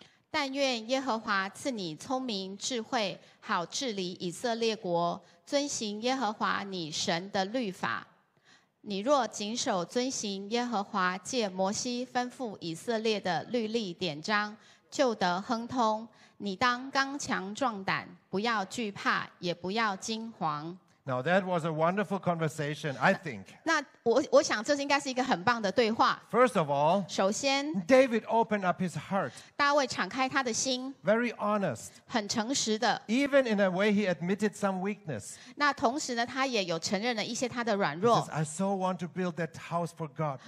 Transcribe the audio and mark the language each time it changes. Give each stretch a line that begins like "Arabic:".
Chinese: 但愿耶和华赐你聪明智慧，好治理以色列国，遵行耶和华你神的律法。你若谨守遵行耶和华借摩西吩咐以色列的律例典章，就得亨通。你当刚强壮胆，不要惧怕，也不要惊惶。
English: Now that was a wonderful conversation, I think.
Chinese: 那我想这应该是一个很棒的对话。
English: First of all,
Chinese: 首先
English: ，David opened up his heart.
Chinese: 大卫敞开他的心。
English: Very honest.
Chinese: 很诚实的。
English: Even in a way, he admitted some weakness.
Chinese: 那同时呢，他也有承认了一些他的软弱。
English: He says, "I so want to build that house for God."